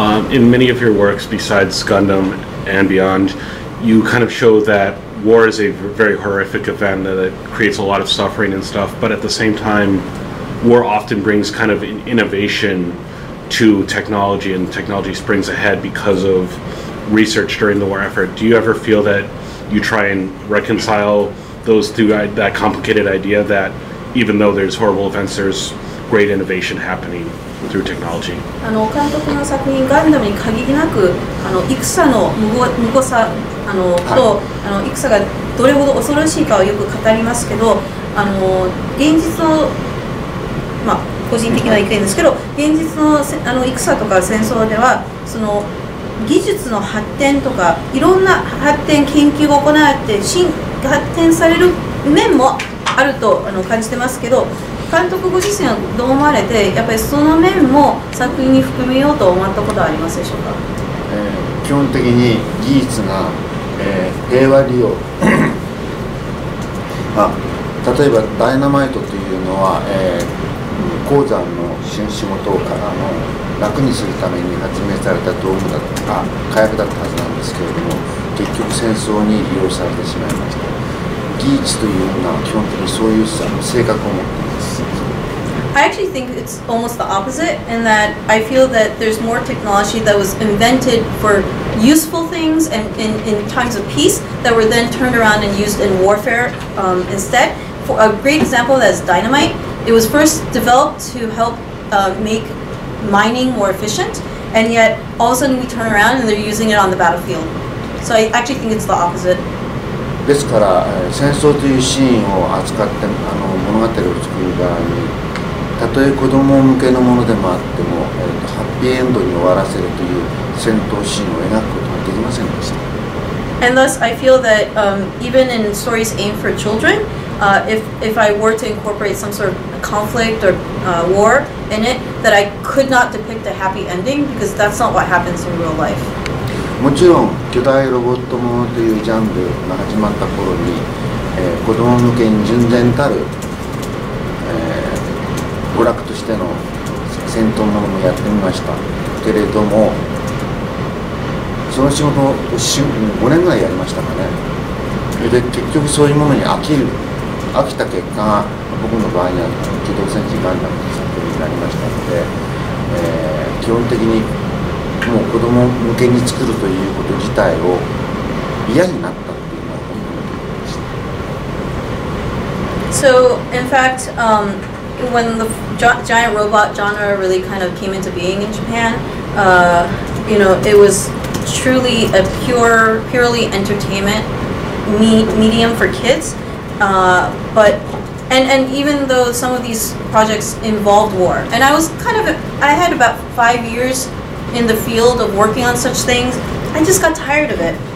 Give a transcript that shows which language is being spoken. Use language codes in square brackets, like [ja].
[en] In many of your works, besides Gundam and beyond, you kind of show that war is a very horrific event that creates a lot of suffering and stuff, but at the same time, war often brings kind of an innovation to technology, and technology springs ahead because of research during the war effort. Do you ever feel that you try and reconcile those two, that complicated idea that even though there's horrible events, there's great innovation happening through technology? [ja] 監督の作品ガンダムに限りなく、戦の無謀さと、戦がどれほど恐ろしいかをよく語りますけど、現実の、まあ、個人的な意見ですけど、現実 の戦とか戦争では、その技術の発展とか、いろんな発展、研究を行って発展される面もあると感じてますけど、監督ご自身はどう思われて、やっぱりその面も作品に含めようと思ったことはありますでしょうか。基本的に技術が、平和利用あ、例えばダイナマイトというのは、鉱山の新仕事をからの楽にするために発明された道具だとか火薬だったはずなんですけれども、結局戦争に利用されてしまいました。技術というのは基本的にそういう性格を持っています。 [en] I actually think it's almost the opposite, in that I feel that there's more technology that was invented for useful things and in times of peace that were then turned around and used in warfare instead. For a great example, that is dynamite. It was first developed to help make mining more efficient, and yet all of a sudden we turn around and they're using it on the battlefield. So I actually think it's the opposite. [ja] ですから、戦争というシーンを扱って物語を作る場合に、たとえ子ども向けのものでもあっても、ハッピーエンドに終わらせるという戦闘シーンを描くことはできませんでした。 [en] And thus, I feel that, even in stories aimed for children, if I were to incorporate some sort of conflict or, war in it, that I could not depict a happy ending, because that's not what happens in real life. [ja] もちろん巨大ロボットものというジャンルが始まった頃に、子供向けに純然たる、娯楽としての戦闘ものもやってみましたけれども、その仕事を5年ぐらいやりましたかね。で、結局そういうものに飽きた結果、僕の場合には機動戦士ガンダムの作品になりましたので、基本的にもう子供向けに作るということ自体を嫌になったっていうのは本当に思いました。 [en] So, in fact, when the giant robot genre really kind of came into being in Japan, you know, it was truly a purely entertainment medium for kids. But, and even though some of these projects involved war, and I was kind of, I had about 5 years in the field of working on such things, I just got tired of it.